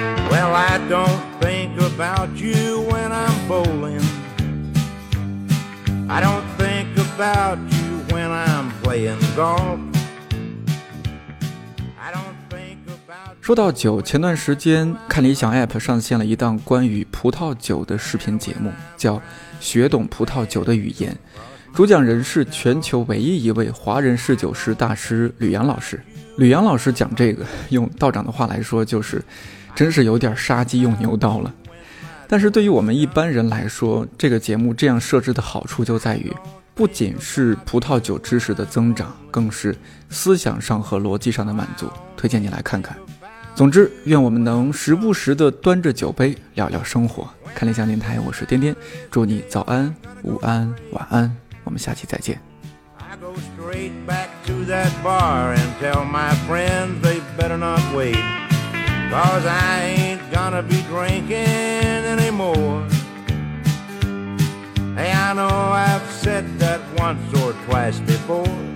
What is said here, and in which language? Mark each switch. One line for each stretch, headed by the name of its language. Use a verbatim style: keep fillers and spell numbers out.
English: Well, I don't think about you when I'm bowling. I don't think about you when I'm playing golf.
Chinese: 说到酒，前段时间看理想 A P P 上线了一档关于葡萄酒的视频节目，叫学懂葡萄酒的语言，主讲人是全球唯一一位华人侍酒师大师吕阳老师。吕阳老师讲这个，用道长的话来说就是真是有点杀鸡用牛刀了。但是对于我们一般人来说，这个节目这样设置的好处就在于，不仅是葡萄酒知识的增长，更是思想上和逻辑上的满足，推荐你来看看。总之，愿我们能时不时地端着酒杯聊聊生活。看理想电台，我是颠颠，祝你早安、午安、晚安，我们下期再见。
English: I go straight back to that bar and tell my friends they better not wait, cause I ain't gonna be drinking anymore. Hey, I know I've said that once or twice before.